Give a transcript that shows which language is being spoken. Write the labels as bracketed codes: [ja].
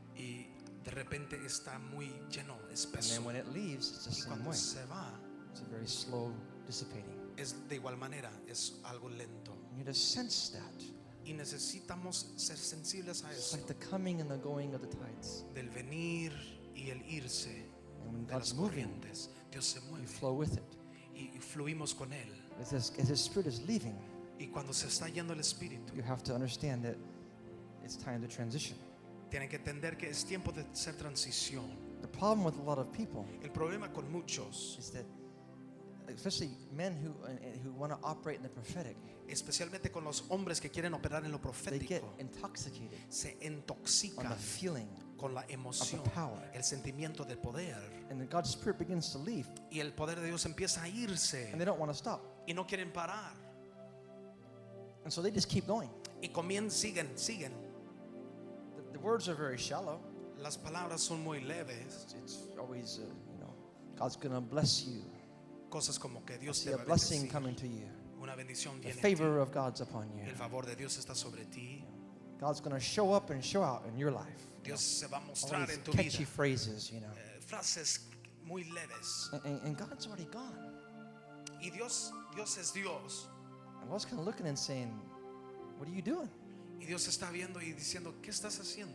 [es] Y de repente está muy lleno, espeso. [en] And then when it leaves, it's the [es] y cuando [en] same way. [es] Se va, [en] it's a very slow dissipating. [es] Es de igual manera, es algo lento. [en] You need to sense that. [es] Y y necesitamos ser sensibles a eso. [en] It's like the coming and the going of the tides. [es] Del venir y el irse de las corrientes. Dios se mueve. [en] You flow with it. [es] Y fluimos con él. [en] As his spirit is leaving, [es] y cuando se está yendo el espíritu, [en] you have to understand that it's time to transition. [es] Tienen que entender que es tiempo de hacer transición. [en] The problem with a lot of people, [es] el problema con muchos, [en] is that especially men who want to operate in the prophetic, [es] especialmente con los hombres que quieren operar en lo profético, [en] they get intoxicated, [es] se intoxican [en] on the feeling, [es] con la emoción, [en] of the power, [es] el sentimiento del poder, [en] and then God's spirit begins to leave, [es] y el poder de Dios empieza a irse, [en] and they don't want to stop, [es] y no quieren parar, [en] and so they just keep going, [es] y comienzan, siguen. [en] The words are very shallow. [es] Las palabras son muy leves. [en] It's always, you know, God's going to bless you. [es] Cosas como que Dios te va a bendecir. [en] A blessing coming to you. [es] Una bendición viene. [en] The favor of God's upon you. [es] El favor de Dios está sobre ti. [en] God's going to show up and show out in your life. [es] Dios se va a mostrar en tu [en] vida. Catchy phrases, you know. [es] Frases muy leves. [en] And God's already gone. [es] Y Dios es Dios. [en] And God's kind of looking and saying, "What are you doing?" [es] Y Dios está viendo y diciendo, "¿Qué estás haciendo?"